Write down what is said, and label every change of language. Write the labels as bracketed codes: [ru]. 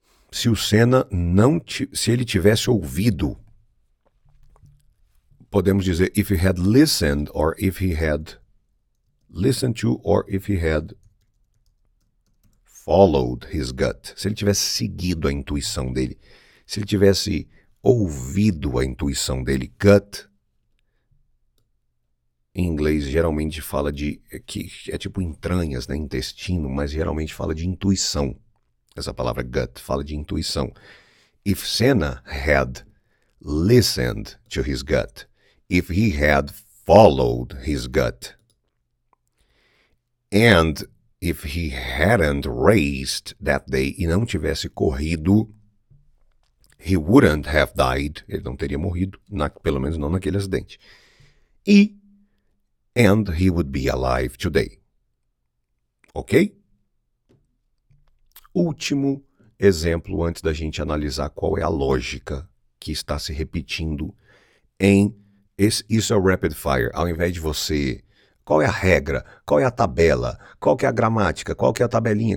[pt] Se o Senna se ele tivesse ouvido, podemos dizer, [en] if he had listened or if he had listened to or if he had followed his gut. [pt] Se ele tivesse seguido a intuição dele, se ele tivesse ouvido a intuição dele, gut, em inglês geralmente fala de, que é tipo entranhas, né, intestino, mas geralmente fala de intuição. Essa palavra gut fala de intuição. [en] If Senna had listened to his gut, if he had followed his gut, and if he hadn't raced that day, [pt] e não tivesse corrido, [en] he wouldn't have died, [pt] ele não teria morrido, pelo menos não naquele acidente. [en] E, and he would be alive today. Ok? [pt] Último exemplo antes da gente analisar qual é a lógica que está se repetindo em... Isso é o rapid fire. Ao invés de você... Qual é a regra? Qual é a tabela? Qual que é a gramática? Qual que é a tabelinha?